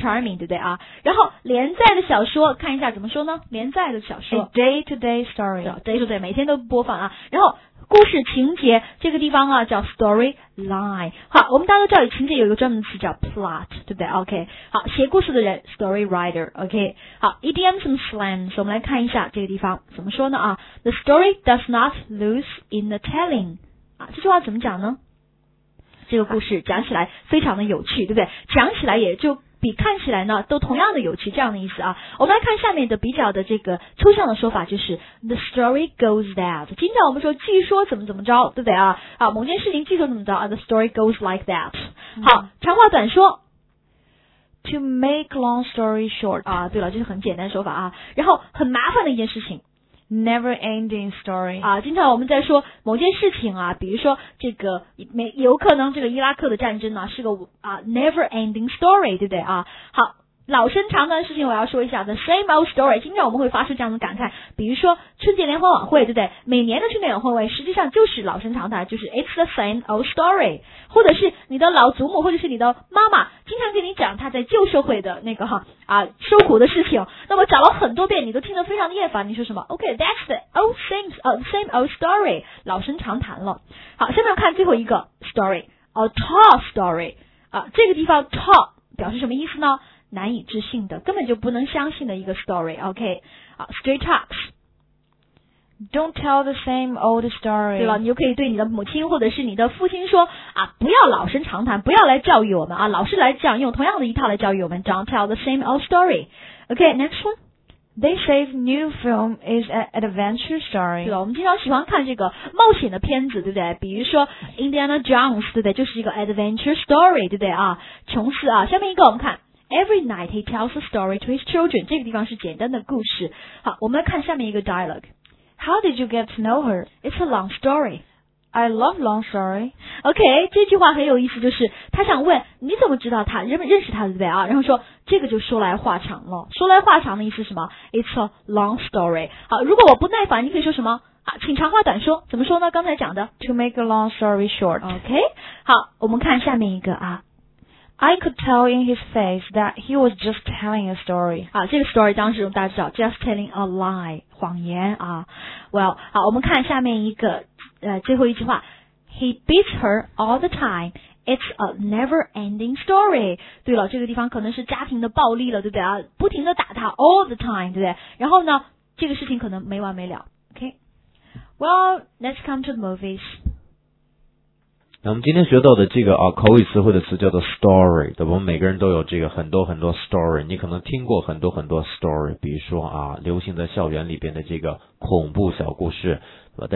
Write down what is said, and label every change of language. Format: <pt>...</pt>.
<zh>Charming, 对不对啊？然后连载的小说，看一下怎么说呢？连载的小说。</zh> <en>A day-to-day story.</en> <zh>Day-to-day, 每天都播放啊。然后故事情节，这个地方啊叫 storyline。好，我们大家都知道情节有一个专门的词叫 plot, 对不对 ？OK。好，写故事的人 story writer。 OK。好 ，</zh> <en>idioms and slangs，</en> <zh>我们来看一下这个地方怎么说呢啊 ？</zh> <en>The story does not lose in the telling.</en> <zh>啊，这句话怎么讲呢？这个故事讲起来非常的有趣，对不对？讲起来也就比看起来呢都同样的有趣，这样的意思啊。我们来看下面的比较的这个抽象的说法，就是</zh> <en>the story goes that。</en> <zh>经常我们说据说怎么怎么着，对不对啊？好，某件事情据说怎么着啊，</zh> <en>the story goes like that。</en> <zh>好，长话短说，</zh> <en>To make long story short</en> <zh>啊，对了，这是很简单的说法啊。然后很麻烦的一件事情，</zh> <en>Never ending story</en> <zh>啊，经常我们在说某件事情啊，比如说这个有可能这个伊拉克的战争呢、啊、是个啊</zh> <en>never ending story，</en> <zh>对不对啊？好，老生常谈的事情我要说一下，</zh> <en>the same old story。</en> <zh>经常我们会发出这样的感慨，比如说春节联欢晚会，对不对？每年的春节联欢会实际上就是老生常谈，就是</zh> <en>it's the same old story。</en> <zh>或者是你的老祖母或者是你的妈妈经常跟你讲他在旧社会的那个哈啊受苦的事情，那么讲了很多遍你都听得非常的厌烦，你说什么？</zh> <en>OK， that's the old things, same old story，</en> <zh>老生常谈了。好，下面看最后一个 story，</zh> <en>a tall story</en> <zh>啊，这个地方 tall 表示什么意思呢？难以置信的，根本就不能相信的一个 story。</zh> <en>OK， straight up， Don't tell the same old story。</en> <zh>对了，你就可以对你的母亲或者是你的父亲说啊，不要老生常谈，不要来教育我们啊，老是来讲用同样的一套来教育我们，</zh> <en>Don't tell the same old story。 OK， next one。 They say new film is an adventure story。</en> <zh>对了，我们经常喜欢看这个冒险的片子，对不对？比如说 Indiana Jones， 对不对？就是一个 adventure story， 对不对啊？琼斯啊，下面一个我们看</zh> <en>Every night he tells a story to his children。</en> <zh>这个地方是简单的故事。好，我们来看下面一个 dialogue。</zh> <en>How did you get to know her? It's a long story。 I love long story。</en> <zh>OK， 这句话很有意思，就是他想问你怎么知道他，认识他，对不对啊？然后说这个就说来话长了。说来话长的意思是什么？</zh> <en>It's a long story。</en> <zh>好，如果我不耐烦你可以说什么啊，请长话短说，怎么说呢？刚才讲的</zh> <en>To make a long story short。</en> <zh>OK， 好，我们看下面一个啊，</zh> <en>I could tell in his face that he was just telling a story。</en> <zh>啊，这个 story 当时大家知道</zh> <en>just telling a lie，</en> <zh>谎言啊。 Well， 好，我们看下面一个最后一句话，</zh> <en>He beats her all the time。 It's a never ending story。</en> <zh>对了，这个地方可能是家庭的暴力了，对不对啊？不停的打他</zh> <en>all the time，</en> <zh>对不对？然后呢这个事情可能没完没了。</zh> <en>OK， Well， let's come to the movies。</en> <zh>那我们今天学到的这个啊口语词汇的词叫做 story， 对吧？我们每个人都有这个很多很多 story， 你可能听过很多很多 story， 比如说啊流行在校园里边的这个恐怖小故事，对吧？</zh>